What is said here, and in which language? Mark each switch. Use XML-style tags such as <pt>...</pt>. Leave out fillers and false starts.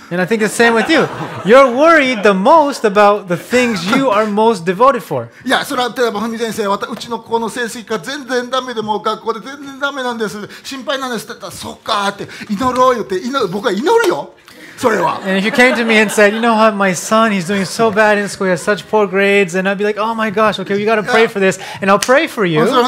<en>And I think the same with you. You're worried the most about the things you are most devoted for.</en> <ja>いや、それは例えば、ふみ先生、うちの子の成績が全然ダメで、もう学校で全然ダメなんです、心配なんですって言ったら、そっかーって、祈ろうよって、僕は祈るよ。</ja> <en>And if you came to me and said, you know what, my son, he's doing so bad in school, he has such poor grades, and I'd be like, oh my gosh, okay, you got to pray for this, and I'll pray for you.</en>